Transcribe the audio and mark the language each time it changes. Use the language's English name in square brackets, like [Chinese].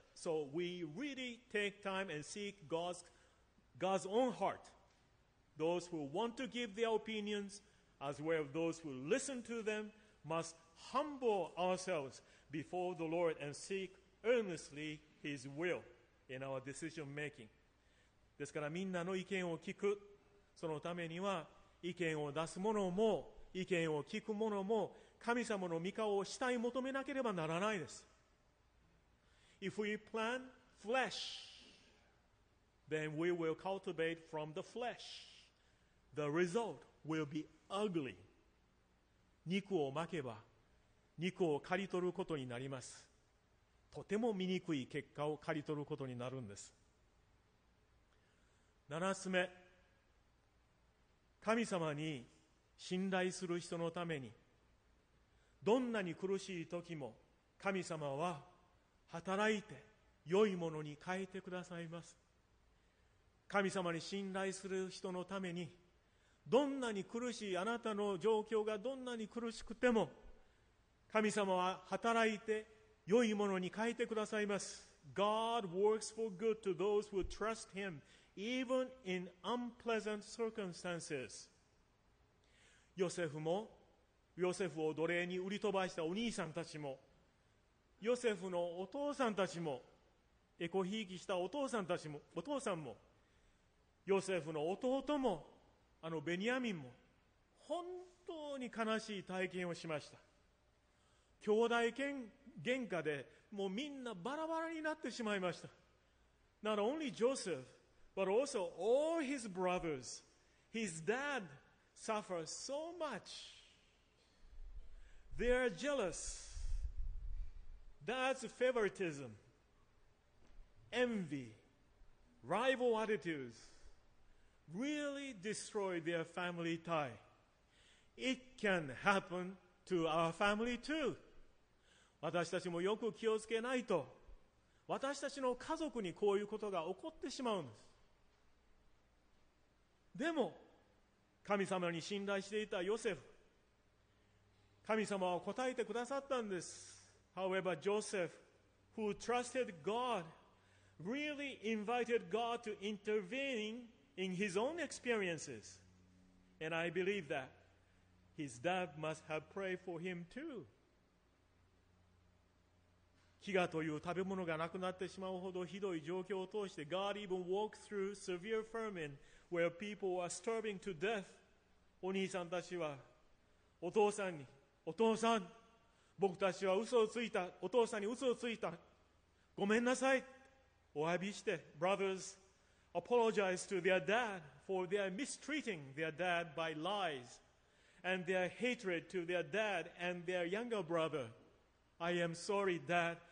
[English] So we really take time and seek God's own heart. Those who want to give their opinions, as well as those who listen to them, must humble ourselves before the Lord and seek earnestly His will in our decision making. [Japanese] ですからみんなの意見を聞く。そのためには意見を出す者も意見を聞く者も神様の御顔を主体求めなければならないです。 [English] If we plan flesh, then we will cultivate from the flesh. The result will be ugly. [Japanese] 肉をまけば肉を刈り取ることになります。とても醜い結果を刈り取ることになるんです。七つ目、神様に信頼する人のために、どんなに苦しい時も神様は働いて良いものに変えてくださいます。神様に信頼する人のために、どんなに苦しい、あなたの状況がどんなに苦しくても、神様は働いて良いものに変えてくださいます。 [English] God works for good to those who trust Him, even in unpleasant circumstances. [Japanese] ヨセフを奴隷に売り飛ばしたお兄さんたちも、ヨセフのお父さんたちも、エコひいきしたお父さんたちも、お父さんも、ヨセフの弟も、あのベニヤミンも、本当に悲しい体験をしました。兄弟喧嘩でもうみんなバラバラになってしまいました。 [English] Not only Joseph, but also all his brothers, his dad suffered so much. They are jealous. That's favoritism, envy, rival attitudes really destroy their family tie. It can happen to our family too. [Japanese] 私たちもよく気をつけないと、私たちの家族にこういうことが起こってしまうんです。でも、神様に信頼していたヨセフ、神様は答えてくださったんです。 [English] However, Joseph, who trusted God, really invited God to intervene in his own experiences. And I believe that his dad must have prayed for him too. [Japanese] 飢餓という食べ物がなくなってしまうほどひどい状況を通して [English] God even walked through severe famine where people were starving to death. [Japanese] お兄さんたちはお父さんに、お父さん、僕たちは嘘をついた、お父さんに嘘をついた、ごめんなさい、お詫びして [English] Brothers apologized to their dad for their mistreating their dad by lies and their hatred to their dad and their younger brotherI am sorry, Dad.